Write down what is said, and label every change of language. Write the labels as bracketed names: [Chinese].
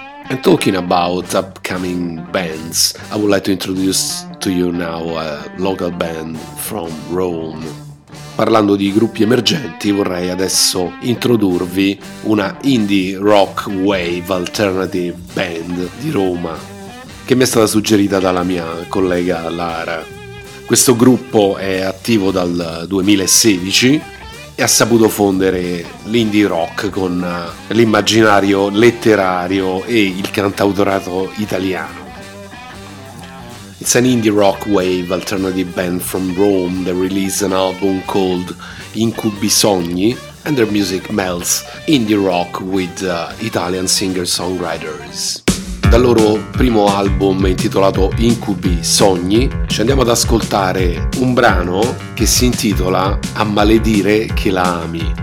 [English] And talking about upcoming bands, I would like to introduce to you now a local band from Rome. [Italian] Parlando di gruppi emergenti, vorrei adesso introdurvi una indie rock wave alternative band di Roma, che mi è stata suggerita dalla mia collega Lara. Questo gruppo è attivo dal 2016 e ha saputo fondere l'indie rock con l'immaginario letterario e il cantautorato italiano. [English] It's an indie rock wave alternative band from Rome that released an album called Incubi Sogni, and their music melts indie rock with Italian singer-songwriters. [Italian] Dal loro primo album intitolato Incubi Sogni ci andiamo ad ascoltare un brano che si intitola A maledire che la ami.